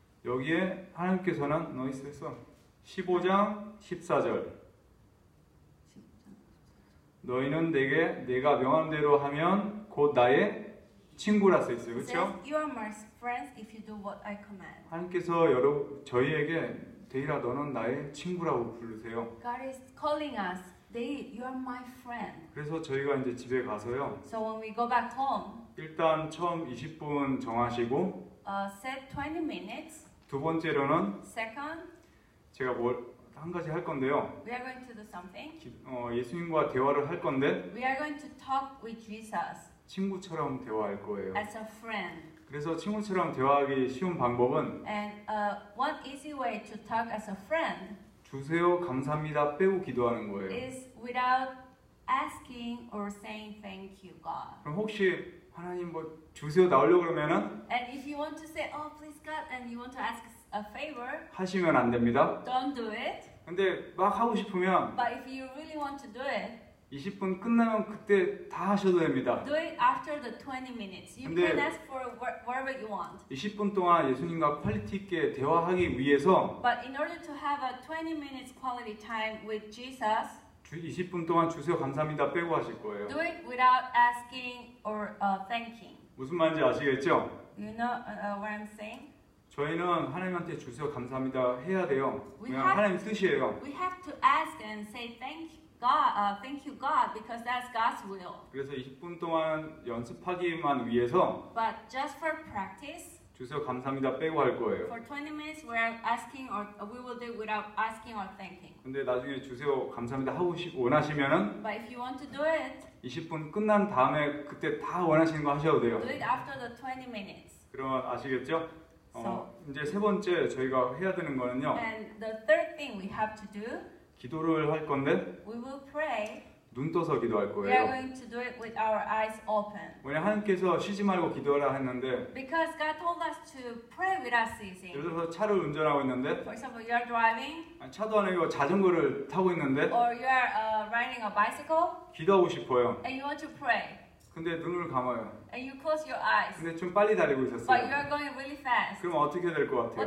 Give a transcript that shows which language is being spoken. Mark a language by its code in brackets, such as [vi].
[ko] 여기에 하나님께서는 너희 속에서 15장 14절 너희는 내게 내가 명한 대로 하면 곧 나의 친구라 써 있어요. 그렇죠? [en] You are my friends if you do what I command. [ko] 하나님께서 여러분 저희에게 데이라 너는 나의 친구라고 부르세요. [en] God is calling us. They you are my friend. [ko] 그래서 저희가 이제 집에 가서요. [en] So when we go back home. [ko] 일단 처음 20분 정하시고 [en] set 20 minutes. [ko] 두 번째로는 [en] Second, [ko] 제가 뭘 한 가지 할 건데요. [en] We are going to do something. [ko] 예수님과 대화를 할 건데. [en] We are going to talk with Jesus. [ko] 친구처럼 대화할 거예요. [en] As a friend. [ko] 그래서 친구처럼 대화하기 쉬운 방법은 [en] And one easy way to talk as a friend. [ko] 주세요, 감사합니다 빼고 기도하는 거예요. [en] Is without asking or saying thank you, God. [ko] 그럼 혹시 하나님 뭐 주세요 나오려고 그러면은 [en] And if you want to say oh please God and you want to ask a favor [ko] 하시면 안 됩니다. [en] Don't do it. [ko] 근데 막 하고 싶으면 [en] But if you really want to do it [ko] 20분 끝나면 그때 다 하셔도 됩니다. [en] Do it after the 20 minutes. You can ask for whatever you want. [ko] 20분 동안 예수님과 퀄리티 있게 대화하기 위해서 [en] But in order to have a 20 minutes quality time with Jesus [ko] 20분 동안 주세요 감사합니다 빼고 하실 거예요. [en] Do it without asking or thanking. [ko] 무슨 말인지 아시겠죠? [en] You know what I'm saying? [ko] 저희는 하나님한테 주세요 감사합니다 해야 돼요. 그냥 하나님 뜻이에요. [en] We have to ask and say thank God, thank you God, because that's God's will. [ko] 그래서 20분 동안 연습하기만 위해서. [en] But just for practice. [ko] 주세요 감사합니다 빼고 할 거예요. [en] For 20 minutes we're asking or we will do without asking or thanking. [ko] 근데 나중에 주세요 감사합니다 하고 싶고 원하시면은 [en] But if you want to do it [ko] 20분 끝난 다음에 그때 다 원하시는 거 하셔도 돼요. [en] Do it after the 20 minutes. [ko] 그러면 아시겠죠? 어, so, 이제 세 번째 저희가 해야 되는 거는요. [en] And the third thing we have to do [ko] 기도를 할 건데 [en] We will pray [ko] 눈 떠서 기도할 거예요. [en] We are going to do it with our eyes open. [ko] 왜냐 하나님께서 쉬지 말고 기도하라 했는데 [en] Because God told us to pray without ceasing. [ko] 예를 들어서 차를 운전하고 있는데 [en] For example, you are driving. [ko] 아니, 차도 아니고 자전거를 타고 있는데 [en] Or you are riding a bicycle. [ko] 기도하고 싶어요. [en] And you want to pray. [ko] 근데 눈을 감아요. [en] And you close your eyes. [ko] 근데 좀 빨리 달리고 있었어요. [en] But you are going really fast. [ko] 그럼 어떻게 될 것 같아요?